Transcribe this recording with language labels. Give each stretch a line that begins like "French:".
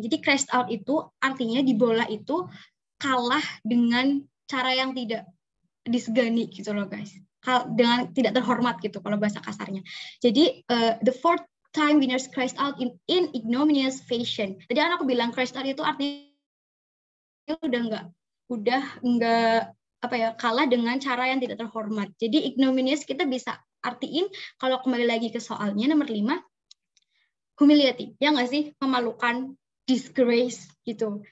Indonesian: Jadi crashed out itu artinya di bola itu kalah dengan cara yang tidak disegani gitu loh guys. Dengan tidak terhormat gitu kalau bahasa kasarnya. Jadi
English: the fourth time winners crashed out in ignominious fashion.
Indonesian: Jadi aku bilang crashed out itu artinya udah enggak apa ya, kalah dengan cara yang tidak terhormat. Jadi ignominious kita bisa artiin kalau kembali lagi ke soalnya nomor 5, humiliating, ya nggak sih, memalukan, disgrace gitu.